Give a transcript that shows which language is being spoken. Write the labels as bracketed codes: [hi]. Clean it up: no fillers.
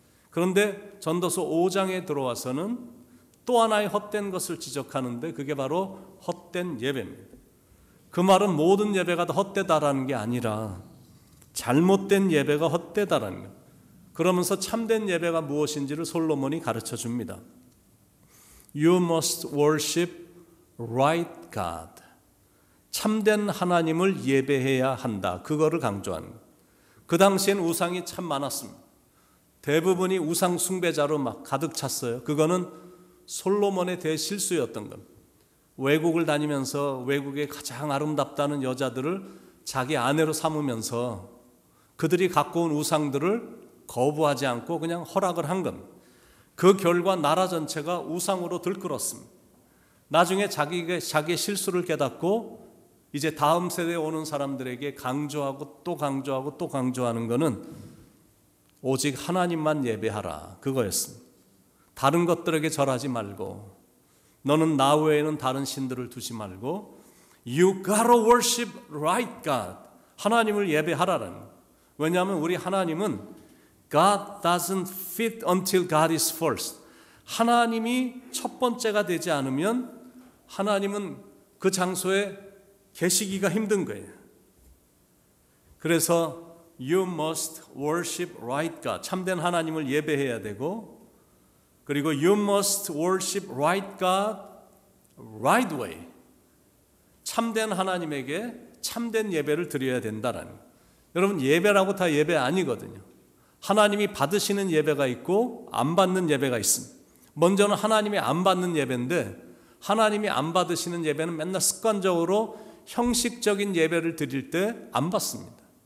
[ko] 그런데 전도서 5장에 들어와서는 또 하나의 헛된 것을 지적하는데 그게 바로 헛된 예배입니다. 그 말은 모든 예배가 다 헛되다라는 게 아니라 잘못된 예배가 헛되다라는 거예요. 그러면서 참된 예배가 무엇인지를 솔로몬이 가르쳐줍니다. [en] You must worship right God. [ko] 참된 하나님을 예배해야 한다. 그거를 강조하는 거예요. 그 당시엔 우상이 참 많았습니다. 대부분이 우상 숭배자로 막 가득 찼어요. 그거는 솔로몬의 대실수였던 겁니다. 외국을 다니면서 외국의 가장 아름답다는 여자들을 자기 아내로 삼으면서 그들이 갖고 온 우상들을 거부하지 않고 그냥 허락을 한 겁니다. 그 결과 나라 전체가 우상으로 들끓었습니다. 나중에 자기의 실수를 깨닫고 이제 다음 세대에 오는 사람들에게 강조하고 또 강조하고 또 강조하는 것은 오직 하나님만 예배하라 그거였습니다. 다른 것들에게 절하지 말고 너는 나 외에는 다른 신들을 두지 말고 [en] You gotta worship right God. [ko] 하나님을 예배하라는 거예요. 왜냐하면 우리 하나님은 [en] God doesn't fit until God is first. [ko] 하나님이 첫 번째가 되지 않으면 하나님은 그 장소에 계시기가 힘든 거예요. 그래서 [en] You must worship right God. [ko] 참된 하나님을 예배해야 되고 그리고 [en] You must worship right God right way. [ko] 참된 하나님에게 참된 예배를 드려야 된다라는 거예요. 여러분 예배라고 다 예배 아니거든요. 하나님이 받으시는 예배가 있고 안 받는 예배가 있습니다. 먼저는 하나님이 안 받는 예배인데 하나님이 안 받으시는 예배는 맨날 습관적으로 형식적인 예배를 드릴 때 안 받습니다.